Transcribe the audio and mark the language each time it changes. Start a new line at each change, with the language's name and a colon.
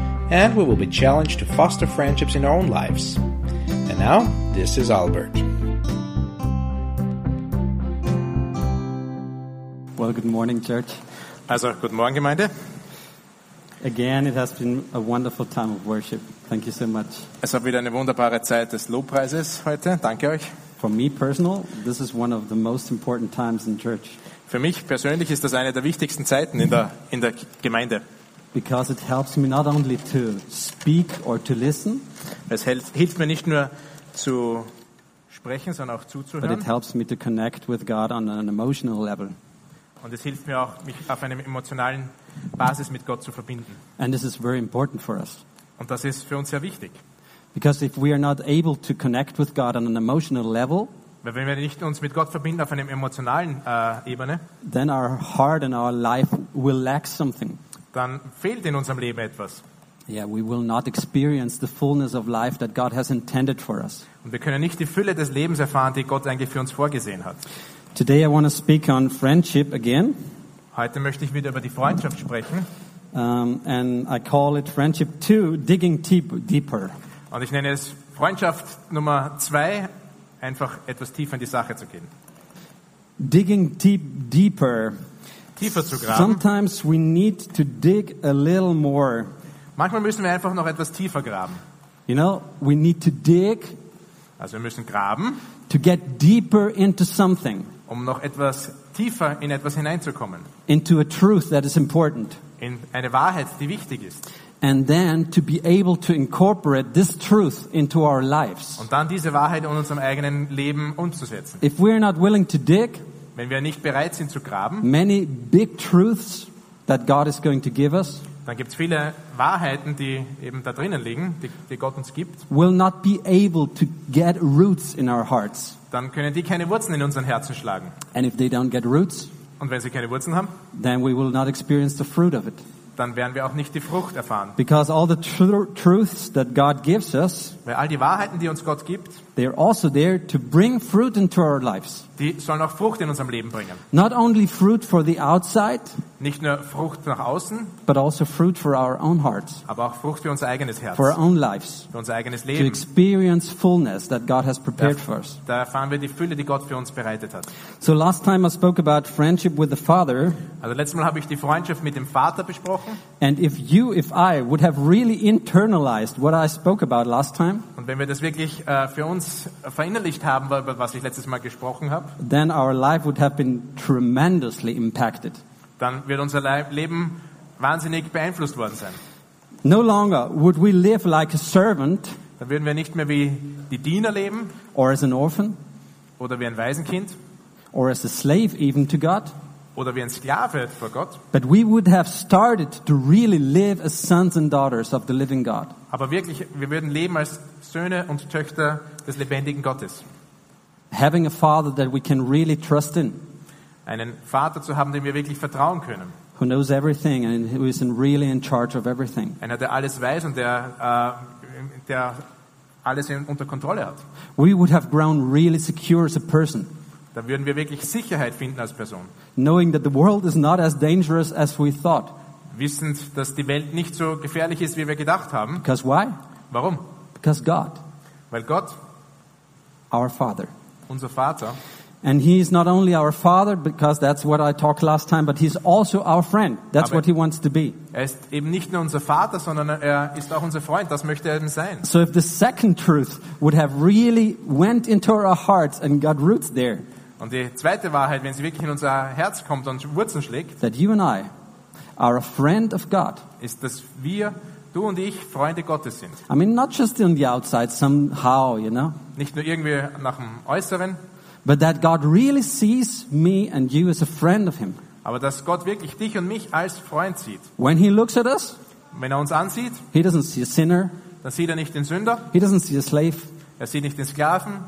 English: And we will be challenged to foster friendships in our own lives. And now, this is Albert. Well, good morning, church.
German: Also, guten Morgen, Gemeinde.
English: Again, it has been a wonderful time of worship. Thank you so much.
German: Es war wieder eine wunderbare Zeit des Lobpreises heute. Danke euch.
English: For me personal, this is one of the most important times in church.
German: Für mich persönlich ist das eine der wichtigsten Zeiten in der Gemeinde.
English: Because it helps me not only to speak or to listen.
German: Es hilft mir nicht nur zu sprechen, sondern auch zuzuhören.
English: But it helps me to connect with God on an emotional level.
German: Und es hilft mir auch, mich auf einer emotionalen Basis mit Gott zu verbinden.
English: And this is very important for us.
German: Und das ist für uns sehr wichtig.
English: Because if we are not able to connect with God on an emotional level,
German: weil wenn wir nicht uns mit Gott verbinden auf einer emotionalen Ebene,
English: then our heart and our life will lack something.
German: Dann fehlt in unserem Leben etwas.
English: Yeah, we will not experience the fullness of life that God has intended for us.
German: Und wir können nicht die Fülle des Lebens erfahren, die Gott eigentlich für uns vorgesehen hat.
English: Today I want to speak on friendship again.
German: Heute möchte ich wieder über die Freundschaft sprechen.
English: And I call it friendship 2, digging deeper.
German: Und ich nenne es Freundschaft Nummer 2, einfach etwas tiefer in die Sache zu gehen.
English: Digging deeper.
German: Tiefer zu graben.
English: Sometimes we need to dig a little more.
German: Manchmal müssen wir einfach noch etwas tiefer graben.
English: You know, we need to dig.
German: Also wir müssen graben.
English: To get deeper into something.
German: Um noch etwas tiefer in etwas hineinzukommen.
English: Into a truth that is important.
German: In eine Wahrheit, die wichtig ist.
English: And then to be able to incorporate this truth into our lives.
German: Und dann diese Wahrheit in unserem eigenen Leben umzusetzen.
English: If we are not willing to dig,
German: wenn wir nicht bereit sind zu graben,
English: many big truths that God is going to give us,
German: dann gibt's viele Wahrheiten, die eben da drinnen liegen, die Gott uns gibt,
English: will not be able to get roots in our hearts.
German: Dann können die keine Wurzeln in unseren Herzen schlagen.
English: And if they don't get roots,
German: und wenn sie keine Wurzeln haben,
English: then we will not experience the fruit of it.
German: Dann werden wir auch nicht die Frucht erfahren.
English: Because all the truths that God gives us,
German: weil all die Wahrheiten, die uns Gott gibt,
English: they are also there to bring fruit into our lives.
German: Die sollen auch Frucht in unserem Leben bringen.
English: Not only fruit for the outside,
German: nicht nur Frucht nach außen,
English: but also fruit for our own hearts,
German: aber auch Frucht für unser eigenes Herz,
English: for our own lives,
German: für unser eigenes Leben,
English: to experience fullness that God has prepared for us.
German: Da erfahren wir die Fülle, die Gott für uns bereitet hat.
English: So last time I spoke about friendship with the Father.
German: Also letztes Mal habe ich die Freundschaft mit dem Vater besprochen.
English: And if I would have really internalized what I spoke about last time,
German: und wenn wir das wirklich für uns verinnerlicht haben, über was ich letztes Mal gesprochen habe,
English: then our life would have been tremendously impacted.
German: Dann wird unser Leben wahnsinnig beeinflusst worden sein.
English: No longer would we live like a servant.
German: Dann würden wir nicht mehr wie die Diener leben.
English: Or as an orphan.
German: Oder wie ein Waisenkind.
English: Or as a slave even to God.
German: Oder wie ein Sklave vor Gott.
English: But we would have started to really live as sons and daughters of the living God.
German: Aber wirklich, wir würden leben als Söhne und Töchter des lebendigen Gottes.
English: Having a father that we can really trust in.
German: Einen Vater zu haben, dem wir wirklich vertrauen können.
English: Who knows everything and who is really in charge of everything.
German: Einer, der alles weiß und der alles unter Kontrolle hat.
English: We would have grown really secure as a person.
German: Da würden wir wirklich Sicherheit finden als Person.
English: Knowing that the world is not as dangerous as we thought.
German: Wissend, dass die Welt nicht so gefährlich ist, wie wir gedacht haben.
English: Because why?
German: Warum?
English: Because God.
German: Weil Gott.
English: Our Father.
German: Unser Vater.
English: And he is not only our father, because that's what I talked last time, but he's also our friend. That's what he wants to be.
German: Er ist eben nicht nur unser Vater, sondern er ist auch unser Freund. Das möchte er eben sein.
English: So if the second truth would have really went into our hearts and got roots there.
German: Und die zweite Wahrheit, wenn sie wirklich in unser Herz kommt und Wurzeln schlägt.
English: That you and I are a friend of God.
German: Ist, dass wir, du und ich, Freunde Gottes sind.
English: I mean, not just on the outside, somehow, you know.
German: Nicht nur irgendwie nach dem Äußeren.
English: But that God really sees me and you as a friend of him.
German: Aber dass Gott wirklich dich und mich als Freund sieht.
English: When he looks at us,
German: wenn er uns ansieht,
English: he doesn't see a sinner.
German: Dann sieht er nicht den Sünder.
English: He doesn't see a slave.
German: Er sieht nicht den Sklaven.